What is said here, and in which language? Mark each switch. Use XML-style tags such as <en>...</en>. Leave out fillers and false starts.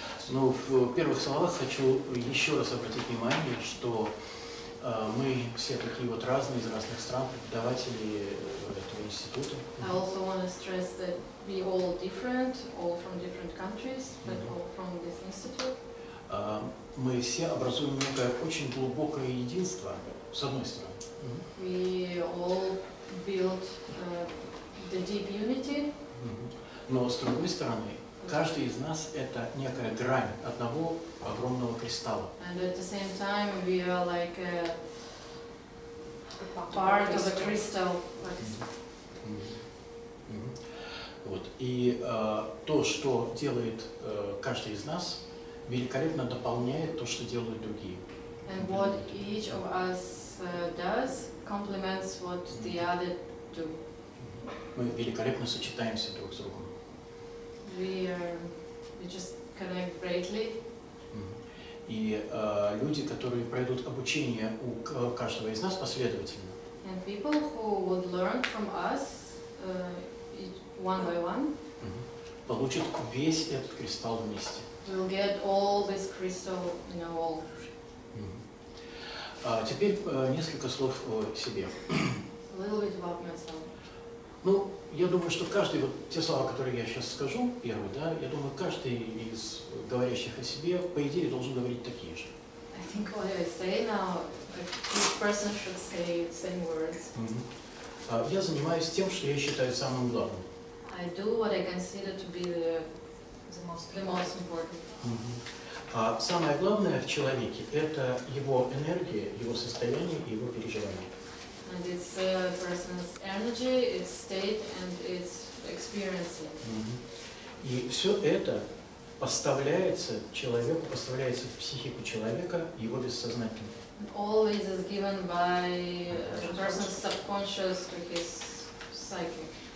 <ru>Но в первых словах хочу еще раз обратить внимание, что мы все такие вот разные из разных стран, преподаватели этого института.</ru> <en>I also want to stress that we all different, all from different countries, but all from this institute.</en> <ru>Мы все образуем некое очень глубокое единство, с одной стороны.</ru> <en>We all build the deep unity.</en> <ru>Но с другой стороны, каждый из нас — это некая грань одного огромного кристалла.</ru> <en>And at the same time, we are like a part of a crystal.</en> <ru>Вот. И то, что делает каждый из нас, великолепно дополняет то, что делают другие.</ru> <en>And what each of us does complements what the other do.</en> <ru>Мы великолепно сочетаемся друг с другом.</ru> <en>We just connect greatly.</en> <ru>И люди, которые пройдут обучение у каждого из нас последовательно.</ru> <en>And people who would learn from us one by one.</en> <ru>Получат весь этот кристалл вместе.</ru> <en>We'll get all this crystal, you know, all.</en> <ru>Теперь несколько слов о себе.</ru> <en>A little bit about myself.</en> <ru>Ну, я думаю, что каждый, вот те слова, которые я сейчас скажу, первый, да, я думаю, каждый из говорящих о себе, по идее, должен говорить такие же.</ru> <en>I think what I say now, each person should say the same words. Mm-hmm.</en> <ru>Я занимаюсь тем, что я считаю самым главным.</ru> <en>I do what I consider to be the most important. Mm-hmm.</en> <ru>Самое главное в человеке – это его энергия, его состояние и его переживания.</ru> <en>And it's a person's energy, its state, and its experiencing.</en> <ru>И все это поставляется человеку, поставляется в психику человека, его бессознательно.</ru> <en>All this is given by the person's subconscious to his psyche.</en>